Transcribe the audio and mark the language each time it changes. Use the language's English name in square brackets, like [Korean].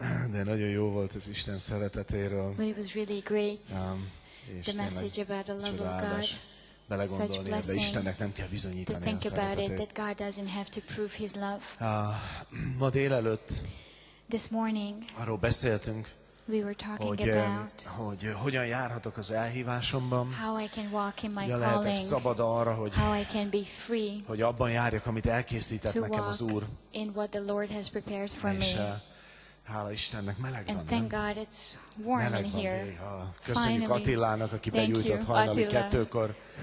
[Hungarian] De nagyon jó volt az Isten szeretetéről. [English] But it was really great. The message about the love of God. [Hungarian] Belegondolni, de Istennek nem kell bizonyítani a szeretetét. [English] That God doesn't have to prove his love. [Hungarian] Ma délelőtt [English] this morning, [Hungarian] arról beszéltünk, [English] we were talking [Hungarian] hogy hogyan járhatok az elhívásomban, [English] how I can walk in my [Hungarian] lehetek szabad arra, hogy, [English] how I can be free, [Hungarian] hogy abban járjak, amit elkészített nekem az Úr. [English] In what the Lord has prepared for [Hungarian] és, [English] me. [Hungarian] Hála Istennek, meleg van, [English] and thank God it's warm in here. [Hungarian] Köszönjük [English] finally. [Hungarian] Attilának, aki begyújtott hajnali kettőkor,